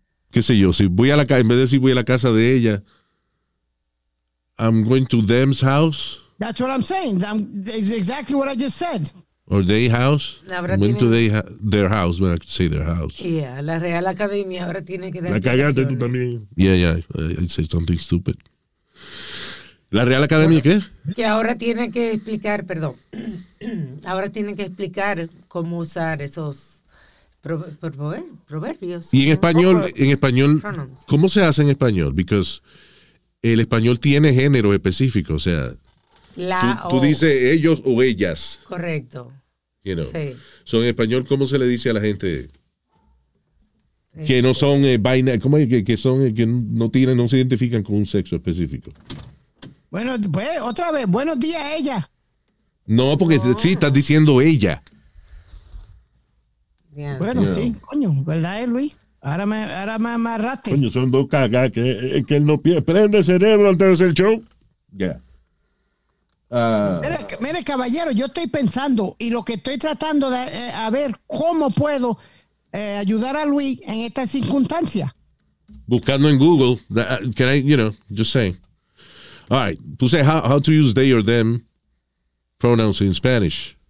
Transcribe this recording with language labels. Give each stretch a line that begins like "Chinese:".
Spanish: Qué sé yo. Si voy a la casa, en vez de decir voy a la casa de ella,
English: I'm going to them's house. That's what I'm saying. That's exactly what I just said. Or they house.
Spanish: Ahora
English: went
Spanish: tiene...
English: to their house. When I could say their house.
Spanish: Yeah, la Real Academia ahora tiene que dar. La cagaste tú también.
English: Yeah. I said something stupid.
Spanish: La Real Academia, ahora, ¿qué? Que ahora tiene que explicar, perdón. Ahora tiene que explicar cómo usar esos proverbios. Y en español,
English: pronouns.
Spanish: ¿Cómo se hace en español?
English: Because
Spanish: el español tiene género específico, o sea... Tú dices ellos o ellas. Correcto.
English: You know.
Spanish: Sí. So en español, ¿cómo se le dice a la gente? Que no son binary, ¿cómo es? Que son, que no tienen, no se identifican con un sexo específico. Bueno, pues, otra vez, buenos días a ella. No, porque no. Sí, estás diciendo ella. Bien. Bueno, no. Sí, coño, ¿verdad, Luis? Ahora me amarraste. Coño, son dos cagas que él no pierde. Prende el cerebro antes de hacer el show. Ya. Yeah. Mire, caballero, yo estoy pensando y lo que estoy tratando de a ver cómo puedo ayudar a Luis en esta circunstancia. Buscando en Google,
English: just saying. All right,
Spanish: puse
English: how to use they or them pronouns in Spanish.